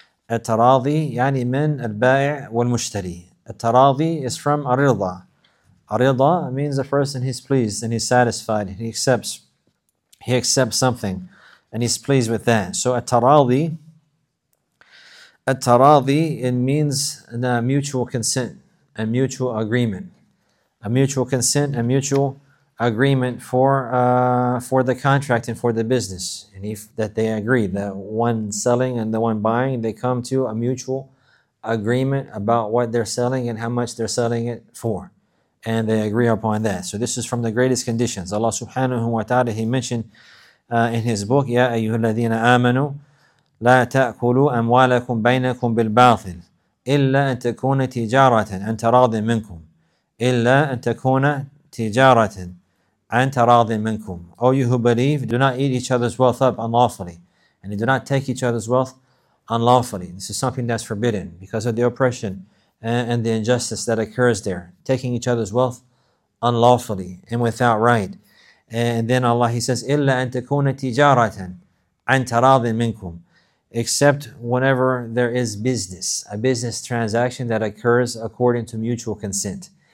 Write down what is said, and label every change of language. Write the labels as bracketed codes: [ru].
[ar] التراضي يعني من البائع والمشتري. [en] التراضي is from الرضا. الرضا means the person he's pleased and he's satisfied. He accepts something and he's pleased with that. So التراضي it means a mutual consent, a mutual agreement. A mutual consent, a mutual agreement for the contract and for the business, and if that they agree, the one selling and the one buying, they come to a mutual agreement about what they're selling and how much they're selling it for, and they agree upon that. So this is from the greatest conditions. Allah subhanahu wa ta'ala, he mentioned in his book, [ar] يَا أَيُّهُ الَّذِينَ آمَنُوا لَا تَأْكُلُوا أَمْوَالَكُمْ بَيْنَكُمْ بِالْبَاطِلِ إِلَّا أَن تَكُونَ تِجَارَةً أَن تَرَاضٍ مِنْكُمْ إِلَّا أَن تَكُونَ تِجَارَةً أَن تَرَاضٍ مِنْكُمْ. [en] All you who believe, do not eat each other's wealth up unlawfully, and do not take each other's wealth unlawfully. This is something that's forbidden because of the oppression and the injustice that occurs there, taking each other's wealth unlawfully and without right. And then Allah, he says, [ar] إِلَّا أَن تَكُونَ تِجَارَةً أَن تَرَاضٍ مِنْكُمْ, [en] except whenever there is business, a business transaction that occurs according to mutual consent.